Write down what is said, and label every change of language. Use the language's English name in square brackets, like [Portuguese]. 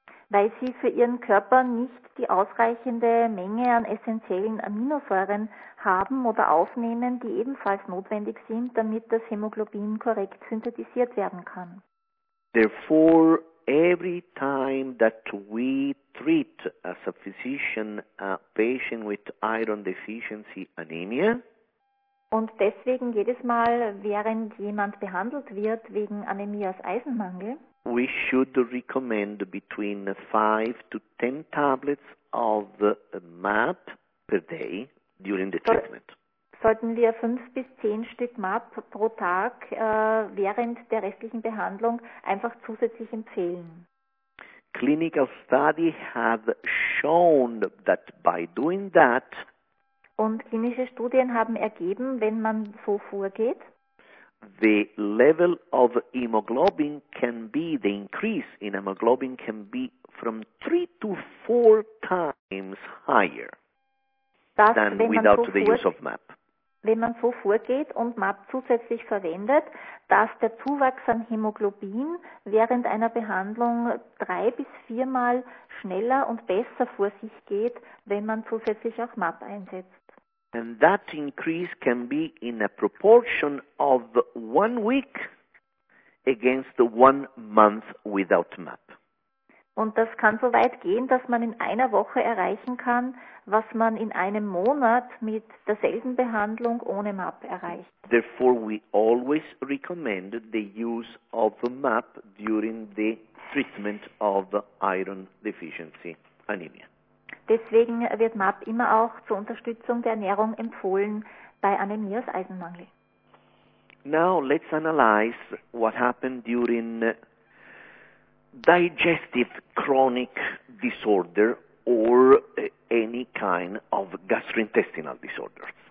[German] Weil sie für ihren Körper nicht die ausreichende Menge an essentiellen Aminosäuren haben oder aufnehmen, die ebenfalls notwendig sind, damit das Hämoglobin korrekt synthetisiert werden kann. [English] Therefore, every time that we treat as a physician a patient with iron deficiency anemia, [German] und deswegen jedes Mal, während jemand behandelt wird wegen Anämie aus Eisenmangel, [English] we should recommend between 5 to 10 tablets of MAP per day during the treatment. [German] Sollten wir 5 bis 10 Stück MAP pro Tag während der restlichen Behandlung einfach zusätzlich empfehlen? [English] Clinical study have shown that by doing that, [German] und klinische Studien haben ergeben, wenn man so vorgeht, [English] the level of hemoglobin can be, the increase in hemoglobin can be from 3 to 4 times higher than without the use of MAP. [German] Wenn man so vorgeht und MAP zusätzlich verwendet, dass der Zuwachs an Hämoglobin während einer Behandlung 3 bis 4 Mal schneller und besser vor sich geht, wenn man zusätzlich auch MAP einsetzt. [English] And that increase can be in a proportion of 1 week against 1 month without MAP. [German] Und das kann so weit gehen, dass man in einer Woche erreichen kann, was man in einem Monat mit derselben Behandlung ohne MAP erreicht. [English] Therefore, we always recommend the use of MAP during the treatment of iron deficiency anemia. [German] Deswegen wird MAP immer auch zur Unterstützung der Ernährung empfohlen bei Anämie aus Eisenmangel. [English] Now let's analyze what happened during digestive chronic disorder or any kind of gastrointestinal disorder.